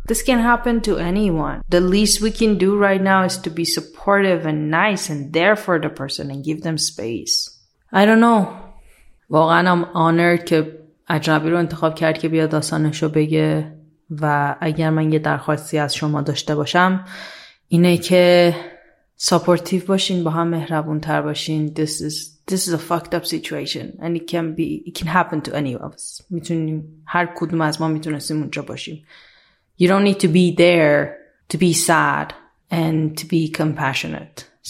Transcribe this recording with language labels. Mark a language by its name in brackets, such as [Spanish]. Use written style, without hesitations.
[English] This can happen to anyone. The least we can do right now is to be supportive and nice and there for the person and give them space I don't know. [Persian] واقعا [English] I'm honored [Persian] که اجنبی رو انتخاب کرد که بیاد داستانش رو بگه و اگر من یه درخواستی از شما داشته باشم اینه که سپورتیف باشین با هم مهربون تر باشین [English] This is a fucked up situation and it can happen to any of us. [Persian] میتونیم هر کدوم از ما میتونستیم اونجا باشیم. [English] You don't need to be there to be sad and to be compassionate.